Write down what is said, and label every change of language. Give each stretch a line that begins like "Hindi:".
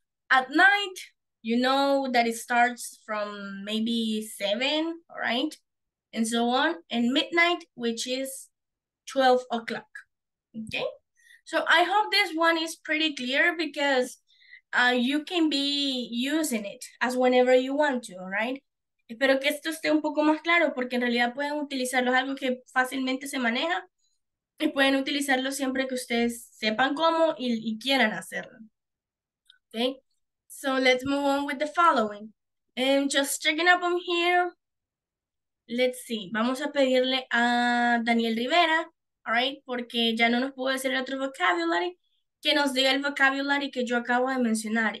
English: At night, you know that it starts from maybe 7, all right? and so on, and midnight, which is 12 o'clock, okay? So I hope this one is pretty clear because you can be using it as whenever you want to, all right?
Spanish: Espero que esto esté un poco más claro porque en realidad pueden utilizarlo, es algo que fácilmente se maneja y pueden utilizarlo siempre que ustedes sepan cómo y quieran hacerlo, okay?
English: So let's move on with the following. And just checking up on here, let's see.
Spanish: Vamos a pedirle a Daniel Rivera, all right? Porque ya no nos pudo decir el otro vocabulary, que nos diga el vocabulary que yo acabo de mencionar.